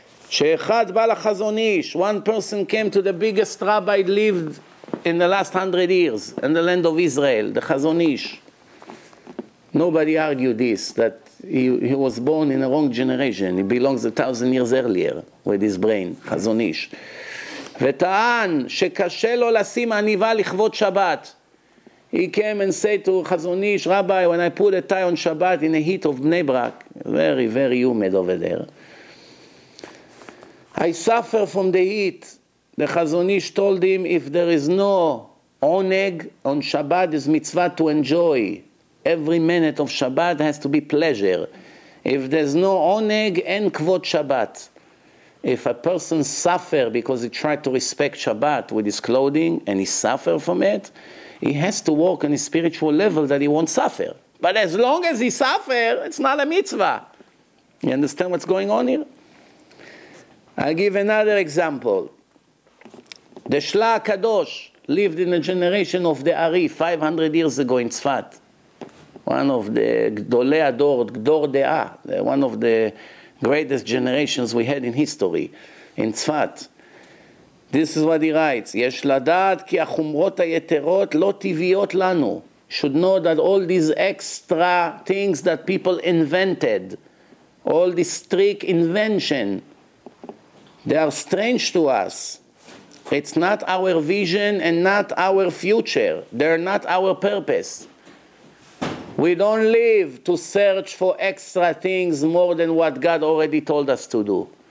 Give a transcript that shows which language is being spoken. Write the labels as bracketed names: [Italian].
[Hebrew] Sheechad ba'al chazonish, [English] one person came to the biggest rabbi lived in the last 100 years in the land of Israel, the Chazon Ish. Nobody argued this, that he was born in the wrong generation. He belongs 1,000 years earlier with his brain, Chazon Ish. [Hebrew] וטען שקשה לו לשים עניבה לכבוד שבת. [English] He came and said to Chazon Ish, Rabbi, when I put a tie on Shabbat in the heat of Bnei Brak, very, very humid over there, I suffer from the heat. The Chazon Ish told him, if there is no oneg on Shabbat, it's mitzvah to enjoy. Every minute of Shabbat has to be pleasure. If there's no oneg, [Hebrew] en kvod Shabbat. [English] If a person suffer because he tried to respect Shabbat with his clothing and he suffer from it, he has to walk on a spiritual level that he won't suffer. But as long as he suffer, it's not a mitzvah. You understand what's going on here? I'll give another example. The Shla HaKadosh lived in a generation of the Ari 500 years ago in Tzfat. One of the [Hebrew] Gdolei Ador, Gdor De'a, [English] one of the greatest generations we had in history in Tzfat. This is what he writes. [Hebrew] יש לדעת כי החומרות היתרות לא טבעיות לנו. [English] Should know that all these extra things that people invented, all this trick invention, they are strange to us. It's not our vision and not our future. They're not our purpose. We don't live to search for extra things more than what God already told us to do.